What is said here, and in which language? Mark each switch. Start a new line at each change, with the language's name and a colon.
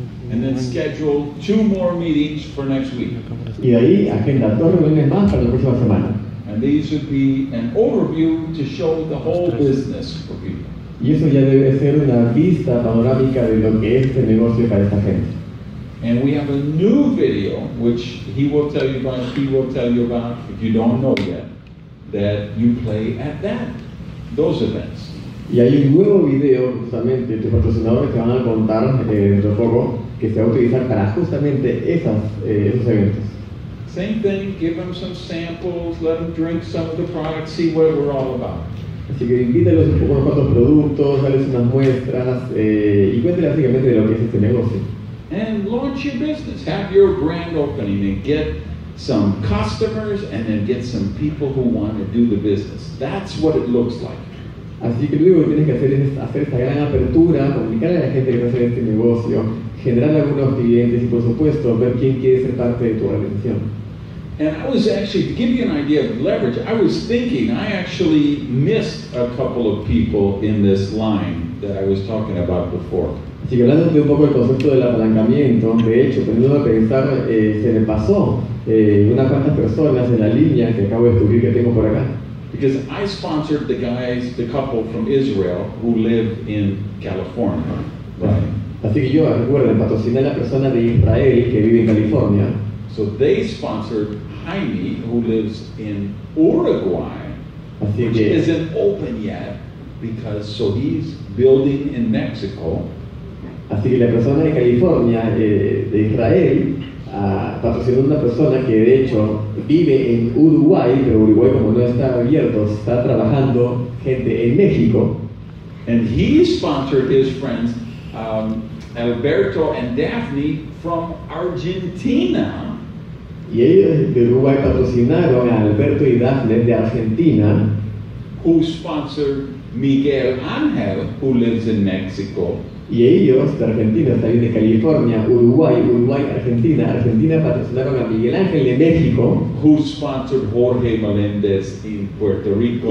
English: And then schedule 2 more meetings for next week.
Spanish: Y de ahí agenda 2 reuniones más para la próxima semana.
English: And these would be an overview to show the whole business for people.
Spanish: Y eso ya debe ser una vista panorámica de lo que es este negocio para esta gente.
English: And we have a new video, which he will tell you about, he will tell you about, if you don't know yet, that you play at that, those events.
Spanish: Y hay un nuevo video, justamente, de patrocinadores que van a contar dentro poco, que se va a utilizar para justamente esas, esos eventos.
English: Same thing, give them some samples, let them drink some of the products, see what we're all about.
Spanish: Así que invítalos un poco a unos cuantos productos, dales unas muestras, y cuéntale básicamente de lo que es este negocio.
English: And launch your business, have your grand opening and get some customers and then get some people who want to do the business. That's what it looks like.
Spanish: Así que lo único que tienes que hacer es hacer esta gran apertura, comunicarle a la gente que va a hacer este negocio, generar algunos clientes y por supuesto ver quién quiere ser parte de tu organización.
English: And I was actually, to give you an idea of leverage, I was thinking, I actually missed a couple of people in this line that I was talking about before.
Spanish: Así que hablando de un poco del concepto del apalancamiento, de hecho, teniendo que pensar, se me pasó unas cuantas personas en la línea que acabo de descubrir que tengo por acá.
English: Because I sponsored the guys, the couple from Israel who live in California. Right.
Spanish: Así que yo, recuerden, patrociné a la persona de Israel que vive en California.
English: So they sponsored Jaime, who lives in Uruguay,
Spanish: así
English: which
Spanish: que,
English: isn't open yet, because so he's building in Mexico.
Spanish: Así que la persona de California, de Israel, patrocinó una persona que de hecho vive en Uruguay, pero Uruguay como no está abierto, está trabajando gente en México.
English: And he sponsored his friends, Alberto and Daphne from Argentina.
Spanish: Y ellos de Uruguay patrocinaron a Alberto y Daphne de Argentina,
English: who sponsored Miguel Ángel, who lives in Mexico.
Spanish: Y ellos de Argentina, también de California, Uruguay, Uruguay, Argentina, Argentina patrocinaron a Miguel Ángel de México,
English: who sponsored Jorge Meléndez in Puerto Rico,